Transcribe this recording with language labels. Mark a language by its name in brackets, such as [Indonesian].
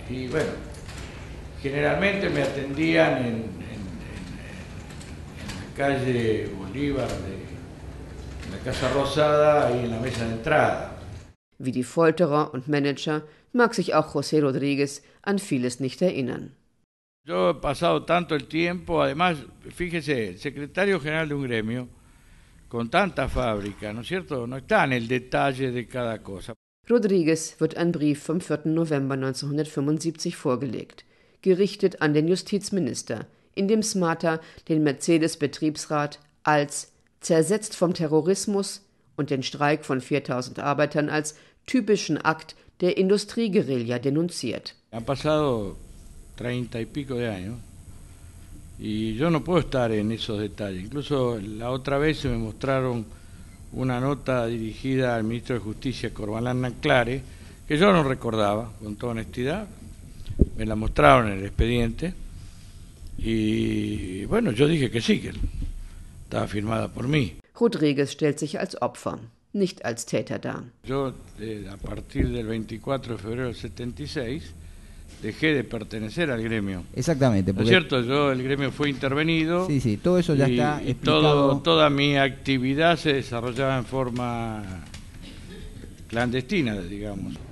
[Spanish] Y bueno, generalmente me atendían en la calle Bolívar, en la Casa Rosada y en la mesa de entrada. [German] Wie die Folterer und Manager mag sich auch José Rodríguez an vieles nicht erinnern. [Spanish] Yo he pasado tanto el tiempo, además, fíjese, el secretario general de un gremio con tanta fábrica, ¿no es cierto? No está en el detalle de cada cosa. [German] Rodríguez wird ein Brief vom 4. November 1975 vorgelegt, gerichtet an den Justizminister, in dem SMATA den Mercedes-Betriebsrat als zersetzt vom Terrorismus und den Streik von 4.000 Arbeitern als typischen Akt der Industrieguerilla denunziert. [Spanish] Han pasado 30 y pico de años y yo no puedo estar en esos detalles. Incluso la otra vez se me mostraron una nota dirigida al ministro de Justicia, Corbalán Nanclare, que yo no recordaba, con toda honestidad. Me la mostraron en el expediente y bueno, yo dije que sí, que estaba firmada por mí. [German] Rodríguez stellt sich als Opfer, nicht als Täter dar. [Spanish] Yo, a partir del 24 de febrero del 76, dejé de pertenecer al gremio. Exactamente. Porque... ¿No es cierto? Yo, el gremio fue intervenido. Sí, sí, todo eso ya está explicado. Toda mi actividad se desarrollaba en forma clandestina, digamos.